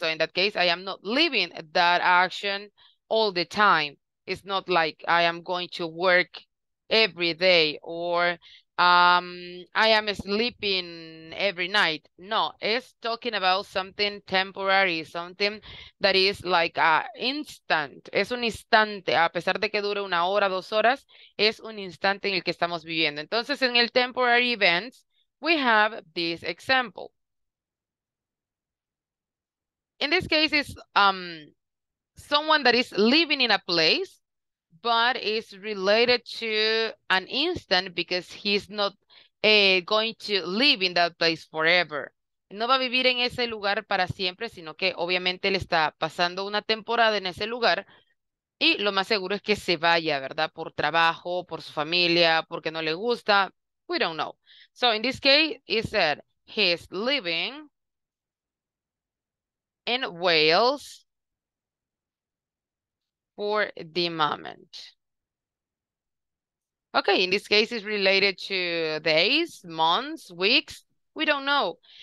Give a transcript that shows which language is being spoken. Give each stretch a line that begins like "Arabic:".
English: So in that case, I am not living that action all the time. It's not like I am going to work every day or I am sleeping every night. No, it's talking about something temporary, something that is like a instant.
Spanish: Es un instante, a pesar de que dure una hora, dos horas, es un instante en el que estamos viviendo. Entonces, en el
English: temporary events, we have this example. In this case, it's someone that is living in a place, but it's related to an instant because he's not going to live in that place forever.
Spanish: No va a vivir en ese lugar para siempre, sino que obviamente le está pasando una temporada en ese lugar y lo más seguro es que se vaya, ¿verdad? Por trabajo, por su familia, porque no le gusta.
English: We don't know. So in this case, it said he's living in Wales for the moment. Okay, in this case, it's related to days, months, weeks. We don't know.